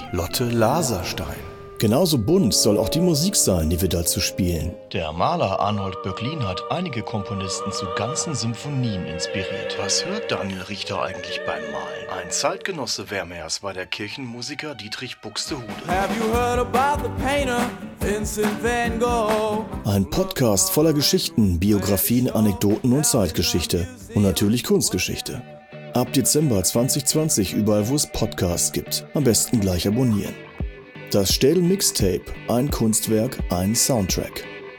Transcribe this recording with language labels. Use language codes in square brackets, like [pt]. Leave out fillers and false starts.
[de] Lotte Laserstein. Genauso bunt soll auch die Musik sein, die wir dazu spielen. Der Maler Arnold Böcklin hat einige Komponisten zu ganzen Symphonien inspiriert. Was hört Daniel Richter eigentlich beim Malen? Ein Zeitgenosse Vermeers war der Kirchenmusiker Dietrich Buxtehude. [en] Have you heard about the painter Vincent van Gogh? [de] Ein Podcast voller Geschichten, Biografien, Anekdoten und Zeitgeschichte. Und natürlich Kunstgeschichte. Ab Dezember 2020 überall, wo es Podcasts gibt. Am besten gleich abonnieren. Das Städel Mixtape, ein Kunstwerk, ein Soundtrack.